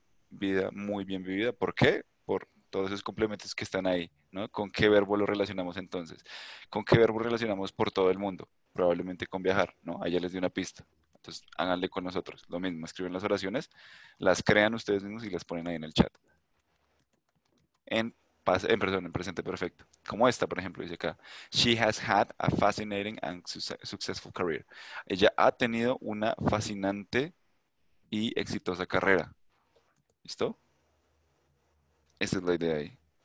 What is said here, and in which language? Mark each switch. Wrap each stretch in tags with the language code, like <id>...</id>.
<es>vida muy bien vivida. ¿Por qué? Por todos esos complementos que están ahí, ¿no? ¿Con qué verbo lo relacionamos entonces? ¿Con qué verbo relacionamos por todo el mundo? Probablemente con viajar, ¿no? Ahí ya les di una pista. Entonces, háganle con nosotros. Lo mismo, escriben las oraciones, las crean ustedes mismos y las ponen ahí en el chat. Perdón, en presente perfecto. Como esta, por ejemplo, dice acá.</es> <en>She has had a fascinating and successful career.</en> <es>Ella ha tenido una fascinante y exitosa carrera. ¿Listo? Esa es la idea ahí.</es>